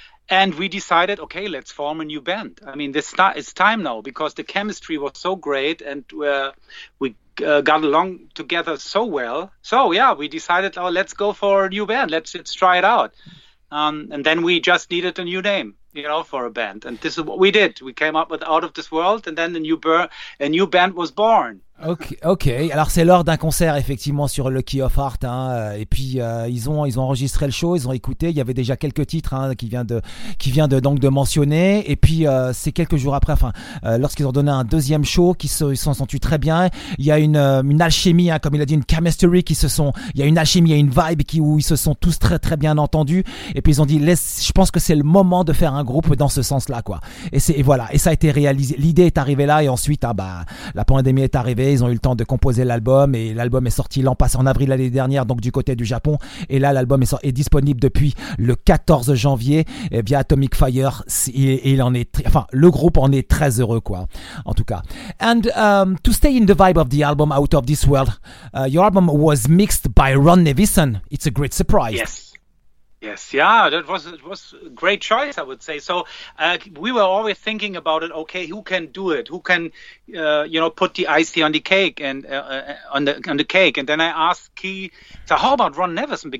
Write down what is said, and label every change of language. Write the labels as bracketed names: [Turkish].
[English] And we decided, okay, let's form a new band. I mean, it's time now, because the chemistry was so great and we got along together so well. So yeah, we decided, oh, let's go for a new band. Let's try it out. And then we just needed a new name. you know, for a band. And this is what we did. We came up with Out of This World, and then a new band was born. Okay. [French] Alors c'est lors d'un concert effectivement sur Lucky of Heart, hein. Et puis ils ont enregistré le show, ils ont écouté. Il y avait déjà quelques titres, hein, qui vient de mentionner. Et puis c'est quelques jours après, lorsqu'ils ont donné un deuxième show, ils se sont sentus très bien. Il y a une alchimie, hein, comme il a dit, une chemistry il y a une vibe où ils se sont tous très très bien entendus. Et puis ils ont dit, je pense que c'est le moment de faire un groupe dans ce sens-là, quoi. Et ça a été réalisé. L'idée est arrivée là, et ensuite, la pandémie est arrivée. Ils ont eu le temps de composer l'album, et l'album est sorti l'an passé, en avril l'année dernière, donc du côté du Japon. Et là, l'album est disponible depuis le 14 janvier via Atomic Fire. Le groupe en est très heureux, quoi, en tout cas. [English] And to stay in the vibe of the album Out of This World, your album was mixed by Ron Nevison. It's a great surprise. Yes, that was a great choice, I would say. So we were always thinking about it. Okay, who can do it? Who can, put the icing on the cake and on the cake? And then I asked Key, so how about Ron Nevison?